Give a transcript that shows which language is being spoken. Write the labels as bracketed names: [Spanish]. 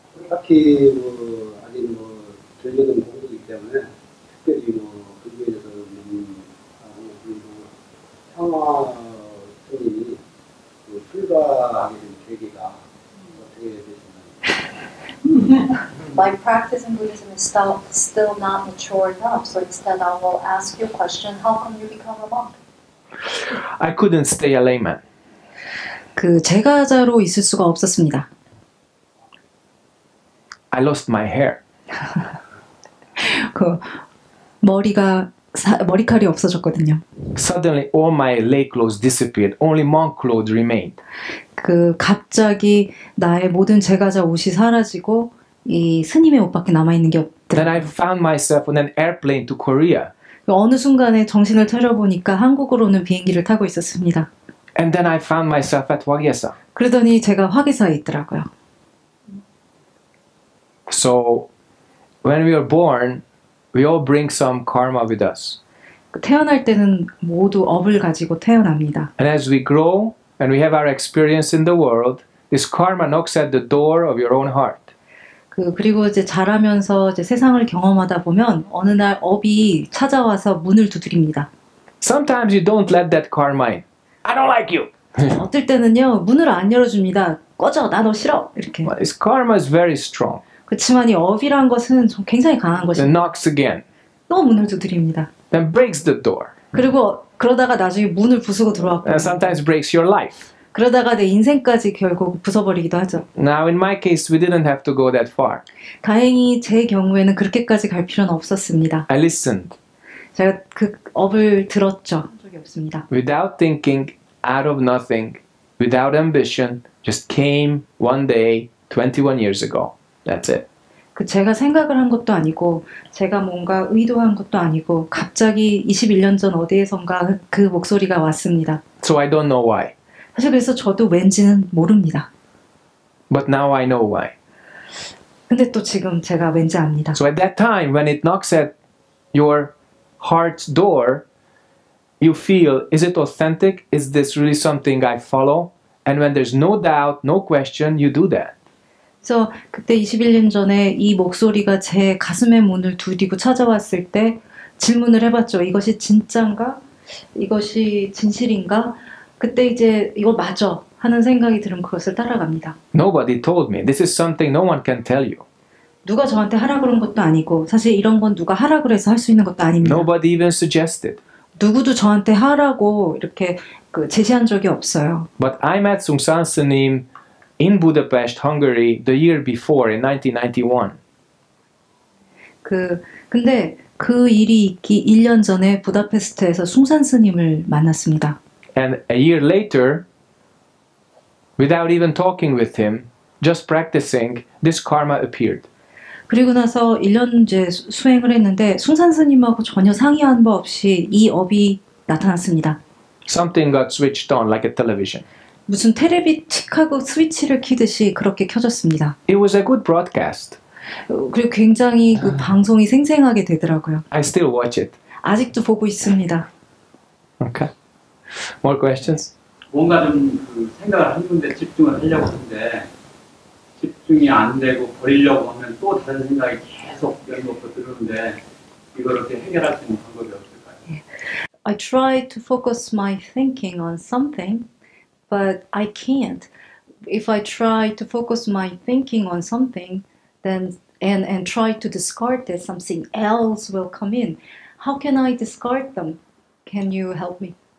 [Korean] 딱히 뭐 아직 뭐 전혀는 모르기 때문에 특별히 뭐 그거에 대해서는 아무래도 평화선이 출발하게 된 계기가 어떻게 되시나요? [English] My practice in Buddhism is still not mature enough, so instead I will ask you a question. How come you become a monk? I couldn't stay a layman. [Korean] 그 제가자로 있을 수가 없었습니다. [English] I lost my hair. [Korean] 그 머리칼이 없어졌거든요. [English] Suddenly all my lay clothes disappeared. Only monk clothes remained. [Korean] 그 갑자기 나의 모든 제가자 옷이 사라지고 이 스님의 옷밖에 남아 있는 게 없더라고요. [English] Then I found myself on an airplane to Korea. [Korean] 어느 순간에 정신을 차려 보니까 한국으로는 비행기를 타고 있었습니다. [English] And then I found myself at Wagyasa. [Korean] 그러더니 제가 화계사에 있더라고요. [English] So when we are born, we all bring some karma with us. [Korean] 태어날 때는 모두 업을 가지고 태어납니다. [English] And as we grow and we have our experience in the world, this karma knocks at the door of your own heart. [Korean] 그리고 이제 자라면서 이제 세상을 경험하다 보면 어느 날 업이 찾아와서 문을 두드립니다. [English] Sometimes you don't let that karma in. I don't like you. [Korean] 어떨 때는요 문을 안 열어줍니다. 꺼져, 나 너 싫어 이렇게. [English] But this karma is very strong. [Korean] 그렇지만 이 업이란 것은 굉장히 강한 것입니다. [English] Then knocks again. [Korean] 또 문을 두드립니다. [English] Then breaks the door. [Korean] 그리고 그러다가 나중에 문을 부수고 들어왔고. [English] And sometimes breaks your life. [Korean] 그러다가 내 인생까지 결국 부숴버리기도 하죠. [English] Now in my case, we didn't have to go that far. [Korean] 다행히 제 경우에는 그렇게까지 갈 필요는 없었습니다. [English] I listened. [Korean] 제가 그 업을 들었죠. 적이 없습니다. [English] Without thinking, out of nothing, without ambition, just came one day, 21 years ago. That's it. [Korean] 그 제가 생각을 한 것도 아니고, 제가 뭔가 의도한 것도 아니고, 갑자기 21년 전 어디에선가 그 목소리가 왔습니다. [English] So I don't know why. [Korean] 사실 그래서 저도 왠지는 모릅니다. [English] But now I know why. [Korean] 근데 또 지금 제가 왠지 압니다. [English] So at that time when it knocks at your heart's door, you feel, is it authentic? Is this really something I follow? And when there's no doubt, no question, you do that. [Korean] 그래서 그때 21년 전에 이 목소리가 제 가슴의 문을 두드리고 찾아왔을 때 질문을 해봤죠. 이것이 진짠가? 이것이 진실인가? 그때 이제 이거 맞아 하는 생각이 들면 그것을 따라갑니다. [English] Nobody told me. This is something no one can tell you. [Korean] 누가 저한테 하라 그런 것도 아니고 사실 이런 건 누가 하라 그래서 할 수 있는 것도 아닙니다. [English] Nobody even suggested. [Korean] 누구도 저한테 하라고 이렇게 그 제시한 적이 없어요. [English] But I met Sungsan Sunim in Budapest, Hungary the year before in 1991. [Korean] 근데 그 일이 있기 1년 전에 부다페스트에서 숭산 스님을 만났습니다. [English] And a year later, without even talking with him, just practicing, this karma appeared. [Korean] 그리고 나서 1년 이제 수행을 했는데 숭산 스님하고 전혀 상의한 바 없이 이 업이 나타났습니다. [English] Something got switched on like a television. [Korean] 무슨 테레비 틱하고 스위치를 키듯이 그렇게 켜졌습니다. [English] It was a good broadcast. [Korean] 그리고 굉장히 그 방송이 생생하게 되더라고요. [English] I still watch it. [Korean] 아직도 보고 있습니다. [English] Okay. More questions? [Korean] 뭔가 좀 그 생각을 한 군데 집중을 하려고 하는데 집중이 안 되고 버리려고 하면 또 다른 생각이 계속 연속으로 들었는데 이걸 어떻게 해결할지 못한 것이 없을까요? [English] I try to focus my thinking on something, but I can't. If I try to focus my thinking on something, then and try to discard that something else will come in. How can I discard them? Can you help me?